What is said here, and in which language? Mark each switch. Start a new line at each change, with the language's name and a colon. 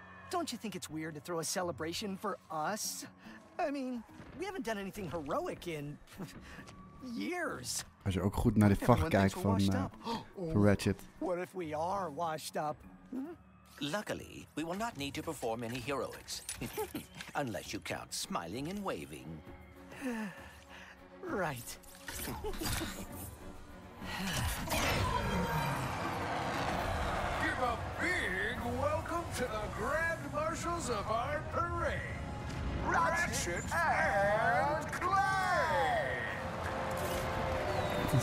English: Don't you think it's weird to throw a celebration for us? I mean, we haven't done anything heroic in years.
Dutch: Als je ook goed naar de vacht kijkt van Ratchet.
English: What if we are washed up? Luckily, we will not need to perform any heroics. Unless you count smiling and waving. Right. Give a big welcome to the Grand Marshals of our parade, Ratchet and Clank.